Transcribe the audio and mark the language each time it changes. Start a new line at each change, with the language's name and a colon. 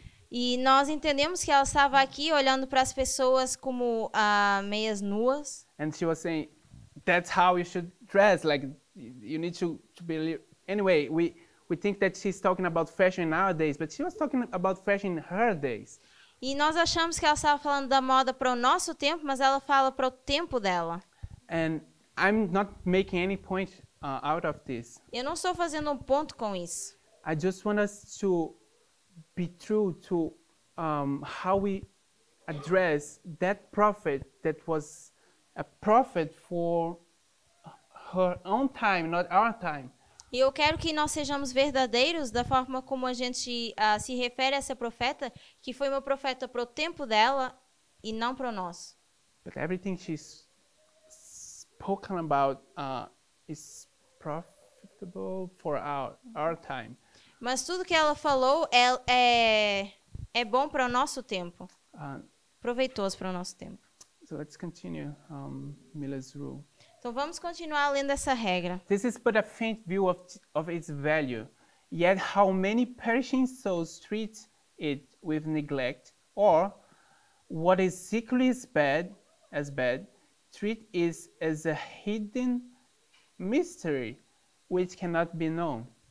Portuguese: E nós entendemos que ela estava aqui olhando para as pessoas como meias nuas.
English: And she was saying, that's how you should dress, like you need to be anyway, we think that she's talking about fashion nowadays, but she was talking about fashion in her days.
Portuguese: E nós achamos que ela estava falando da moda para o nosso tempo, mas ela fala para o tempo dela.
English: And I'm not making any point out of this.
Portuguese: Eu não estou fazendo um ponto com isso.
English: I just want us to be true to how we address that prophet that was a prophet for her own time, not our time.
Portuguese: E eu quero que nós sejamos verdadeiros da forma como a gente se refere a essa profeta, que foi uma profeta para o tempo dela e não para nós.
English: But everything she's spoken about is profitable for our time.
Portuguese: Mas tudo que ela falou é bom para o nosso tempo. Proveitoso para o nosso tempo.
English: So let's continue Miller's rule.
Portuguese: Então vamos continuar lendo essa regra.
English: This is but a faint view of its value. Yet how many perishing souls treat it with neglect, or what is secretly as bad, treat it as a hidden mystery which cannot be known.